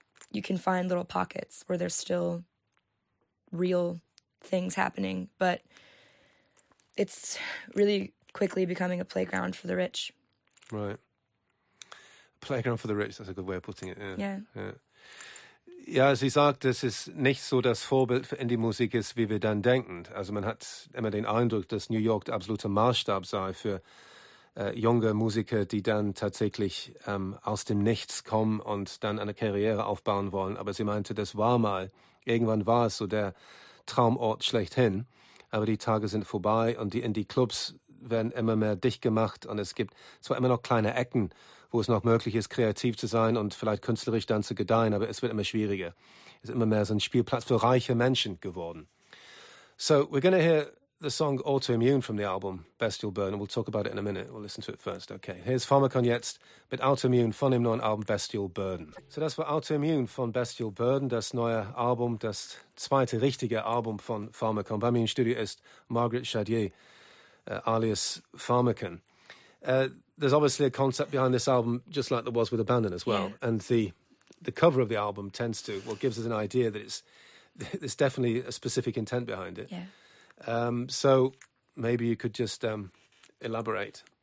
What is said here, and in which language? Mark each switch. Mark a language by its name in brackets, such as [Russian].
[English] You can find little pockets where there's still real things happening, but it's really quickly becoming a playground for the rich. Right. Playground for the rich, that's a good way of putting it. Yeah. Yeah. [German] Ja, sie sagt, es ist nicht so das Vorbild für Indie-Musik ist, wie wir dann denken. Also man hat immer den Eindruck, dass New York der absolute Maßstab sei für junge Musiker, die dann tatsächlich aus dem Nichts kommen und dann eine Karriere aufbauen wollen. Aber sie meinte, das war mal, irgendwann war es so der Traumort schlechthin. Aber die Tage sind vorbei und die Indie-Clubs werden immer mehr dicht gemacht und es gibt zwar immer noch kleine Ecken, wo es noch möglich ist, kreativ zu sein und vielleicht künstlerisch dann zu gedeihen, aber es wird immer schwieriger. Es ist immer mehr so ein Spielplatz für reiche Menschen geworden. [English] So, we're going to hear the song Autoimmune from the album Best You'll Burn, and we'll talk about it in a minute. We'll listen to it first, okay. [German] Here's Pharmakon jetzt mit Autoimmune von dem neuen Album Best You'll Burn. So, das war Autoimmune von Best You'll Burn, das neue Album, das zweite richtige Album von Pharmakon. Bei mir im Studio ist Margaret Chadier, alias Pharmakon. [English] There's obviously a concept behind this album, just like there was with Abandon as well. Yeah. And the cover of the album tends to, well, gives us an idea that it's there's definitely a specific intent behind it. Yeah. So maybe you could just elaborate.